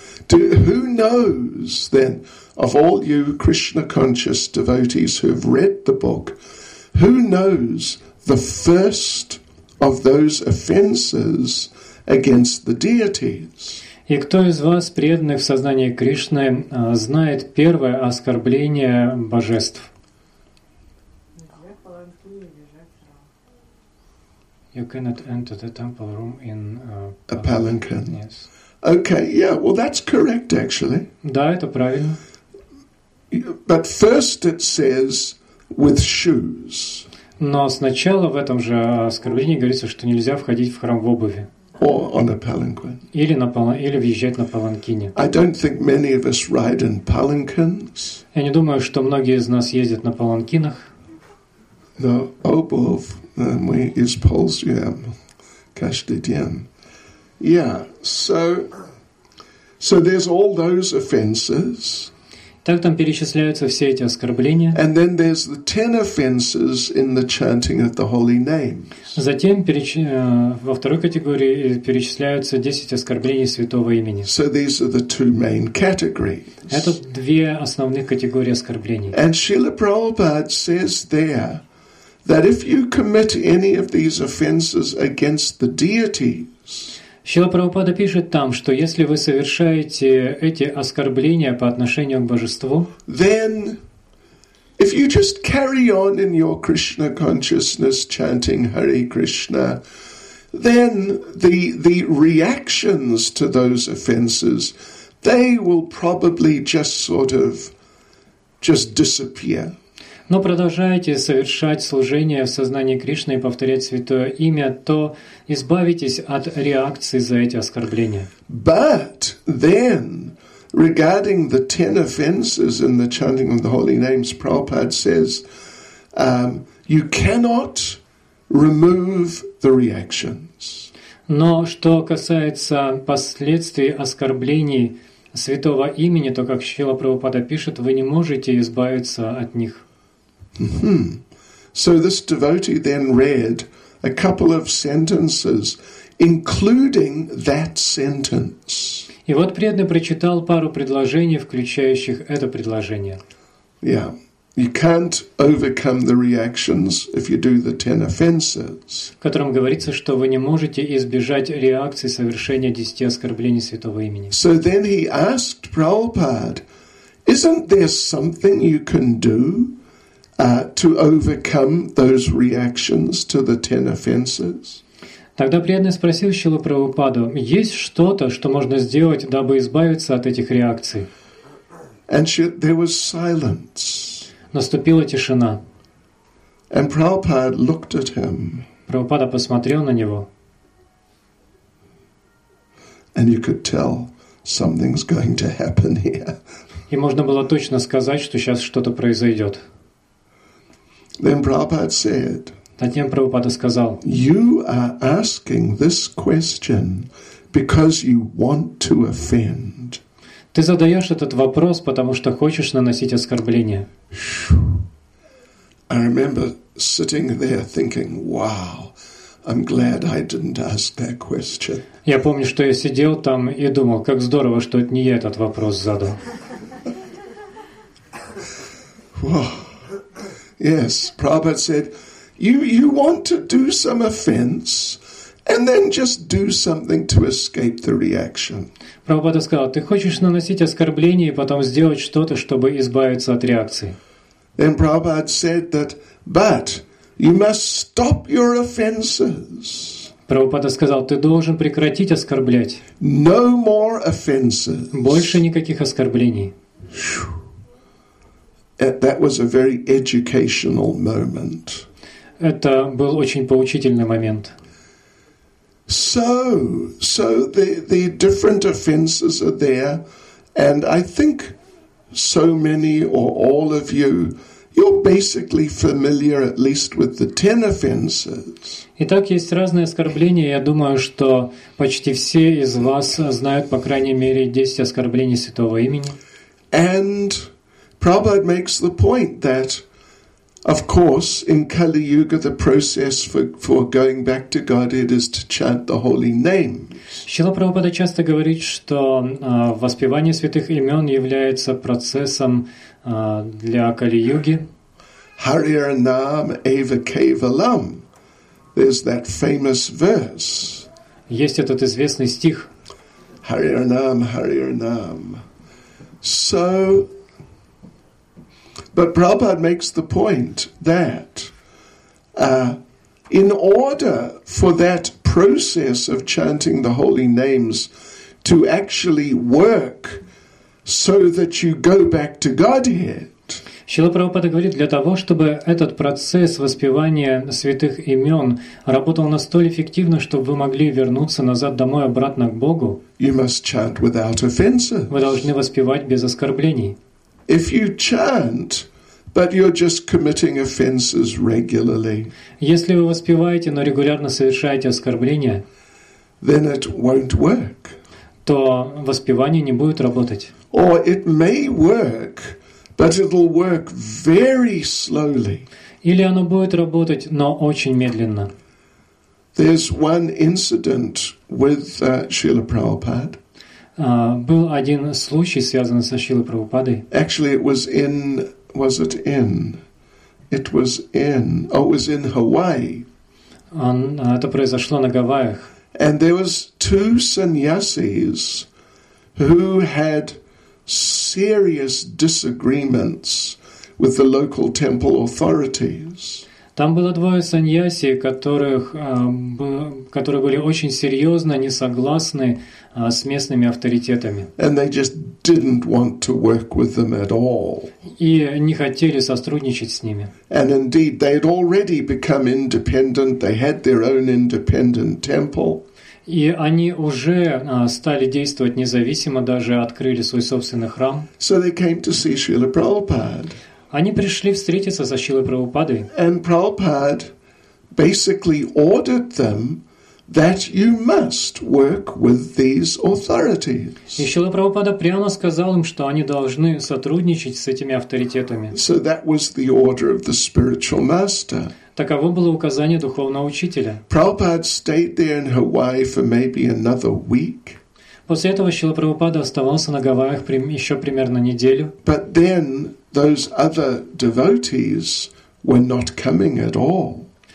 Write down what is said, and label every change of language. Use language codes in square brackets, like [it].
[en] Who knows, then, of all you Krishna-conscious devotees who have read the book, who knows the first of those offenses against the deities? [ru] И кто из вас, преданных в сознании Кришны, знает первое оскорбление божеств? [en] You cannot enter the temple room in a palanquin. Yes. Okay, yeah, well, that's correct, actually. [ru] Да, это правильно. [en] But first it says, with shoes. [ru] Но сначала в этом же оскорблении говорится, что нельзя входить в храм в обуви. [en] Or on a palanquin. [ru] Или въезжать на паланкине. [en] I don't think many of us ride in palanquins. [ru] Я не думаю, что многие из нас ездят на паланкинах. No, обувь мы используем каждый день. [en] Yeah, so there's all those offenses. [ru] Так там перечисляются все эти оскорбления. [en] And then there's the 10 offenses in the chanting of the holy names. [ru] Затем во второй категории перечисляются 10 оскорблений святого имени. [en] So these are the two main categories. [ru] Это две основных категории оскорблений. [en] And Srila Prabhupada says there that if you commit any of these offenses against the deities, [ru] Шрила Прабхупада пишет там, что если вы совершаете эти оскорбления по отношению к божеству, [en] then if you just carry on in your Krishna consciousness chanting Hare Krishna, then the reactions to those offenses, they will probably just disappear. [ru] Но продолжайте совершать служение в сознании Кришны и повторять Святое Имя, то избавитесь от реакции за эти оскорбления. [en] But then, regarding the 10 offenses in the chanting of the holy names, Prabhupada says, you cannot remove the reactions. [ru] Но что касается последствий оскорблений Святого Имени, то, как Шрила Прабхупада пишет, вы не можете избавиться от них. [en] So this devotee then read a couple of sentences, including that sentence. [ru] И вот преданный прочитал пару предложений, включающих это предложение. [en] Yeah, you can't overcome the reactions if you do the 10 offenses. [ru] В котором говорится, что вы не можете избежать реакции совершения 10 оскорблений святого имени. [en] So then he asked Prabhupada, isn't there something you can do to overcome those reactions to the 10 offenses? [ru] Тогда преданный спросил Шрилу Прабхупаду, есть что-то, что можно сделать, дабы избавиться от этих реакций? [en] And there was silence. [ru] Наступила тишина. [en] And Prabhupada looked at him. [ru] Прабхупада посмотрел на него. [en] And you could tell something's going to happen here. [ru] И можно было точно сказать, что сейчас что-то произойдет. [en] Then Prabhupada said. [ru] Затем Прабхупада сказал. [en] You are asking this question because you want to offend. [ru] Ты задаешь этот вопрос, потому что хочешь наносить оскорбление. [en] I remember sitting there thinking, wow, I'm glad I didn't ask that question. [ru] Я помню, что я сидел там и думал, как здорово, что не я этот вопрос задал. [en] Wow. Yes, Prabhupada said, you want to do some offense. And then just do something to escape the reaction. [ru] Прабхупада сказал, ты хочешь наносить оскорбление и потом сделать что-то, чтобы избавиться от реакции. [en] Then Prabhupada said that, but you must stop your offenses. [ru] Прабхупада сказал, ты должен прекратить оскорблять. [en] No more offenses. [ru] Больше никаких оскорблений. [en] That was a very educational moment. [ru] Это был очень поучительный момент. [en] So the different offenses are there, and I think so many or all of you, you're basically familiar at least with the 10 offenses. [ru] Итак, есть разные оскорбления. Я думаю, что почти все из вас знают по крайней мере 10 оскорблений святого имени. [en] And Prabhupada makes the point that. Of course, in Kali Yuga, the process for going back to Godhead is to chant the holy names. [ru] Шрила Прабхупада часто говорит, что воспевание святых имен является процессом для Кали Юги. [sa] Hariyar Nam Eva Kevalam. [en] There's that famous verse. [ru] Есть этот известный стих. [sa] Hariyar Nam, Hariyar Nam. So. [en] But Prabhupada makes the point that in order for that process of chanting the holy names to actually work so that you go back to Godhead. [ru] Шрила Прабхупада говорит, для того, чтобы этот процесс воспевания святых имен работал настолько эффективно, чтобы вы могли вернуться назад домой, обратно к Богу, [en] you must chant without offenses. [ru] Вы должны воспевать без оскорблений. [en] If you chant, but you're just committing offenses regularly. [ru] Если вы воспеваете, но регулярно совершаете оскорбления, [en] then it won't work. [ru] То воспевание не будет работать. [en] Or it may work, but it'll work very slowly. [ru] Или оно будет работать, но очень медленно. [en] There's one incident with Srila Prabhupada. [ru] Был один случай, связанный со Шрилой Прабхупадой. [en] Actually, it was in, was it in? It was in, oh, it was in Hawaii. [ru] Это произошло на Гавайях. [en] And there was two sannyasis who had serious disagreements with the local temple authorities. [ru] Там было двое саньяси, которые были очень серьезно не согласны с местными авторитетами. [en] And they just didn't want to work with them at all. [ru] И не хотели сотрудничать с ними. [en] And indeed, they had already become independent. They had their own independent temple. [ru] И они уже стали действовать независимо, даже открыли свой собственный храм. [en] So they came to see Srila Prabhupada. [ru] Они пришли встретиться со Шрилой Прабхупадой. [en] And Prabhupada basically ordered them that you must work with these authorities. [ru] И Шрила Прабхупада прямо сказал им, что они должны сотрудничать с этими авторитетами. [en] So that was the order of the spiritual master. [ru] Таково было указание духовного учителя. [en] Prabhupada stayed there in Hawaii for maybe another week. [ru] После этого Шрила Прабхупада оставался на Гавайях еще примерно неделю. [en] But then those other devotees were not coming at all.